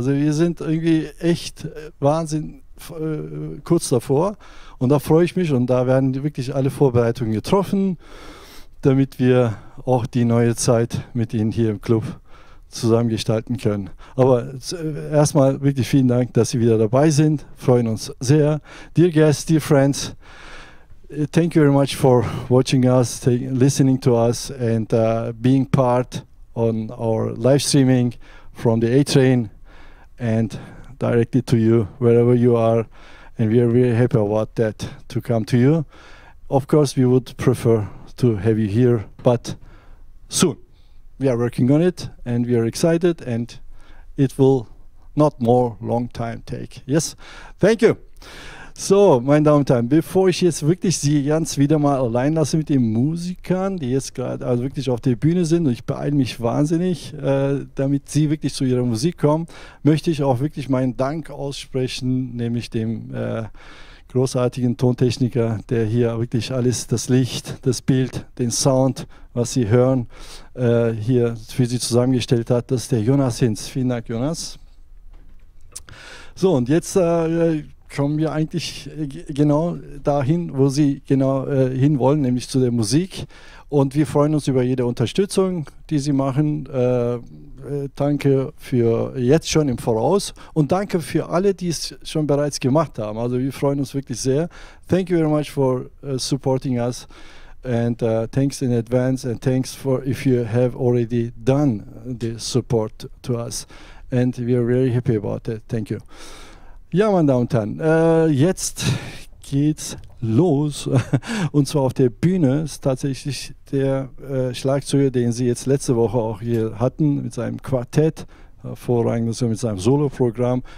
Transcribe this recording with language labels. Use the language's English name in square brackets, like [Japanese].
[German] Also wir sind irgendwie echt Wahnsinn kurz davor. Und da freue ich mich. Und da werden wirklich alle Vorbereitungen getroffen, damit wir auch die neue Zeit mit Ihnen hier im Club zusammen gestalten können. Aber erstmal wirklich vielen Dank, dass Sie wieder dabei sind. Freuen uns sehr. [English] Dear Guests, dear Friends, thank you very much for watching us, listening to us and being part on our live streaming from the A-Trane and directly to you wherever you are, and we are really happy about that to come to you. Of course we would prefer to have you here, but soon. We are working on it and we are excited and it will not more long time take. Yes, thank you. [German] So, meine Damen und Herren, bevor ich jetzt wirklich Sie ganz wieder mal allein lasse mit den Musikern, die jetzt gerade also wirklich auf der Bühne sind, und ich beeile mich wahnsinnig, damit Sie wirklich zu Ihrer Musik kommen, möchte ich auch wirklich meinen Dank aussprechen, nämlich dem großartigen Tontechniker, der hier wirklich alles, das Licht, das Bild, den Sound, was Sie hören, hier für Sie zusammengestellt hat. Das ist der Jonas Hinz. Vielen Dank, Jonas. So, und jetzt kommen wir eigentlich genau dahin, wo Sie genau hinwollen, nämlich zu der Musik. Und wir freuen uns über jede Unterstützung, die Sie machen. Danke für jetzt schon im Voraus und danke für alle, die es schon bereits gemacht haben. Also wir freuen uns wirklich sehr. [English] Thank you very much for supporting us and thanks in advance and thanks for if you have already done the support to us. And we are really happy about that. Thank you. [German] Ja, meine Damen und Herren, jetzt geht's los. Und zwar auf der Bühne ist tatsächlich der Schlagzeuger, den Sie jetzt letzte Woche auch hier hatten, mit seinem Quartett, hervorragend, also mit seinem Solo-Programm.